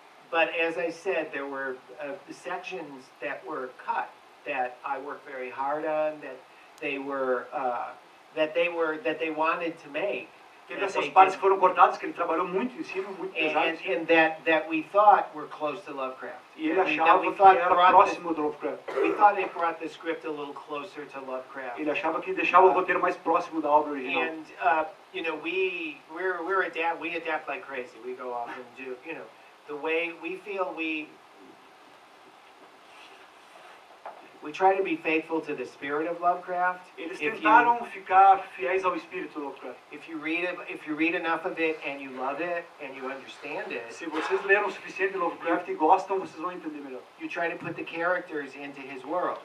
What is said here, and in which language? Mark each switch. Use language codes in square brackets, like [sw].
[en] But as I said, there were sections that were cut that I worked very hard on, that they wanted to make. [pt] Teve essas partes que foram cortadas, que ele trabalhou muito em cima, muito pesado. [en] And that we thought were close to Lovecraft. [pt] E ele achava que era próximo do Lovecraft. [en] We thought it brought the script a little closer to Lovecraft. [pt] Ele achava que deixava o roteiro mais próximo da obra original. [en] And, you know, we adapt like crazy. We go off and do, you know, the way we feel we try to be faithful to the spirit of Lovecraft. [pt] Eles tentaram ficar fiéis ao espírito do Lovecraft. [en] If you read enough of it and you love it and you understand it. [pt] Se vocês leram o suficiente de Lovecraft e gostam, vocês vão entender melhor. [en] You try to put the characters into his world.